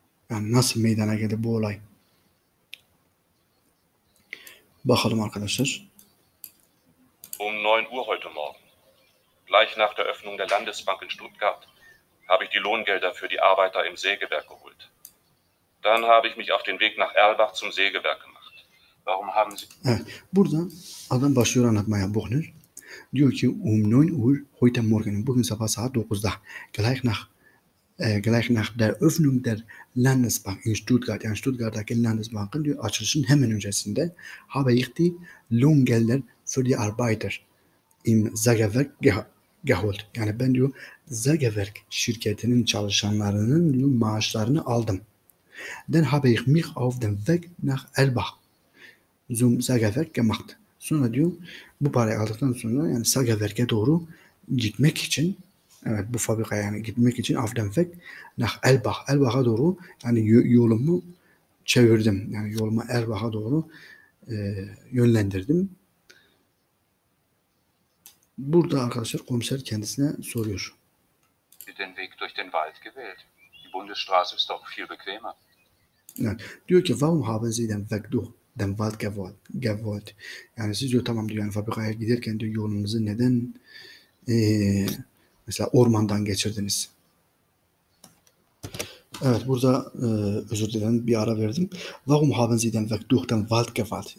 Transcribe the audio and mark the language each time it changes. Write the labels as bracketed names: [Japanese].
[Turkish] Yani nasıl meydana geldi bu olay? Bakalım arkadaşlar. [German] Um 9 Uhr heute Morgen, gleich nach der Öffnung der Landesbank in Stuttgart, habe ich die Lohngelder für die Arbeiter im Sägewerk geholt. Dann habe ich mich auf den Weg nach Erlbach zum Sägewerk gemacht. Warum haben Sie... [Turkish] Burada adam başlıyor anlatmaya Buchner. Diyor ki [German] um 9 Uhr heute Morgen, [Turkish] bugün sabah saat 9'da, [German] gleich nach der Öffnung der Landesbank in Stuttgart, [Turkish] yani Stuttgart'daki Landesbank'ın diyor, açılışın hemen öncesinde, [German] habe ich die Lohngelder für die Arbeiter im Sägewerk geholt. [Turkish] Yani ben diyor, Sägewerk şirketinin çalışanlarının diyor, maaşlarını aldım. [German] Dann habe ich mich auf dem Weg nach Erlbach zum Sägewerk gemacht. [Turkish] Sonra diyor, bu parayı aldıktan sonra yani Sägewerk'e doğru gitmek için, evet bu fabrikaya yani gitmek için [German] auf dem Weg nach Erlbach. [Turkish] Erlbach'a doğru yani yolumu çevirdim. Yani yolumu Erlbach'a doğru yönlendirdim. Burada arkadaşlar komiser kendisine soruyor. [German] Den Weg durch den Wald gewählt. Die Bundesstraße ist doch viel bequemer. [Turkish] Yani diyor ki, [German] warum haben Sie den Weg durch den Wald gewählt? [Turkish] Yani siz diyor, tamam diyor, yani fabrikaya giderken diyor, yolunuzu neden mesela ormandan geçirdiniz? Evet, burada özür dilerim, bir ara verdim. [German] Warum haben Sie den Weg durch den Wald gewählt?